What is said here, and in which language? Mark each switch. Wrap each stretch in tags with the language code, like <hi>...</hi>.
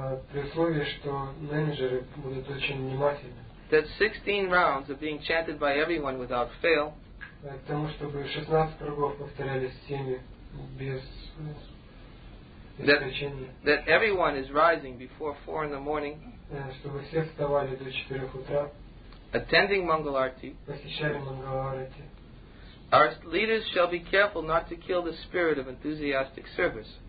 <ru>При условии, что менеджеры будут очень внимательны.</ru> <en>That 16 rounds are being chanted by everyone without fail.</en> <ru>К тому, чтобы 16 кругов повторялись всеми без исключения.</ru> <en>That everyone is rising before 4 in the morning.</en> <ru>Чтобы все вставали до 4 утра.</ru> <en>Attending Mangal Arati.</en> <ru>Посещали Mangal Arati.</ru> <en>Our leaders shall be careful not to kill the spirit of enthusiastic service.</en>